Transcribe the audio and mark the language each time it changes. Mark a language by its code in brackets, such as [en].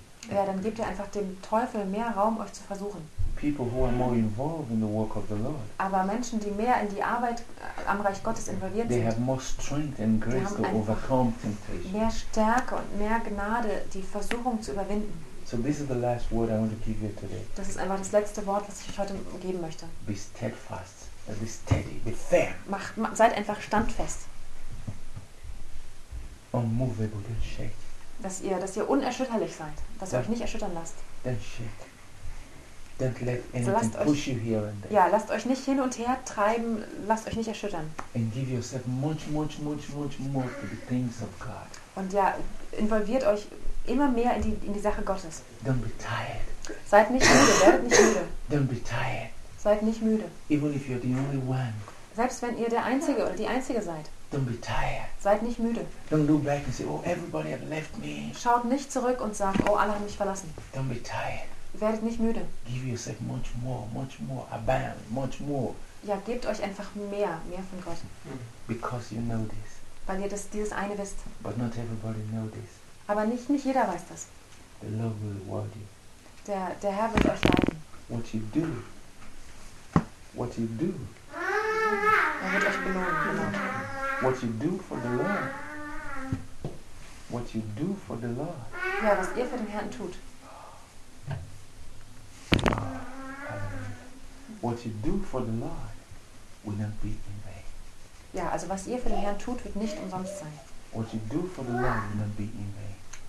[de] Ja, dann gebt ihr einfach dem Teufel mehr Raum, euch zu versuchen. [en] People who are more involved in the work of the Lord. [de] Aber Menschen, die mehr in die Arbeit am Reich Gottes involviert [en] they [de] sind, [en] have more strength and grace to overcome temptation. [de] Mehr Stärke und mehr Gnade, die Versuchung zu überwinden. [en] So this is the last word I want to give you today. [de] Das ist einfach das letzte Wort, was ich euch heute geben möchte. [en] Be steadfast, be steady, be firm. [de] Seid einfach standfest. [en] Unmovable, don't shake. [de] Dass ihr unerschütterlich seid, dass ihr euch nicht erschüttern lasst. [en] Don't shake. Don't let anything push you here and there. [de] Ja, lasst euch nicht hin und her treiben, lasst euch nicht erschüttern. [en] And give yourself much, much, much, much more to the things of God. [de] Und ja, involviert euch immer mehr in die Sache Gottes. [en] Don't be tired. [de] Seid nicht müde, werdet nicht müde. [en] Don't be tired. [de] Seid nicht müde. [en] Even if you're the only one. [de] Selbst wenn ihr der Einzige oder die Einzige seid. [en] Don't be tired. [de] Seid nicht müde. [en] Don't look back and say, oh, everybody have left me. [de] Schaut nicht zurück und sagt, oh, alle haben mich verlassen. [en] Don't be tired. [de] Werdet nicht müde. [en] Give yourself much more, much more, abound, much more. [de] Ja, gebt euch einfach mehr von Gott. [en] Because you know this. [de] Weil ihr dieses eine wisst. [en] But not everybody know this. [de] Aber nicht jeder weiß das. [en] The Lord will reward you. [de] Der Herr wird euch leiten. [en] What you do. [de] Er wird euch belohnen. Genau. [en] What you do for the Lord. What you do for the Lord. [de] Ja, was ihr für den Herrn tut. [en] What you do for the Lord will not be in vain. [de] Ja, also was ihr für den Herrn tut, wird nicht umsonst sein. [en] What you do for the Lord will not be in vain.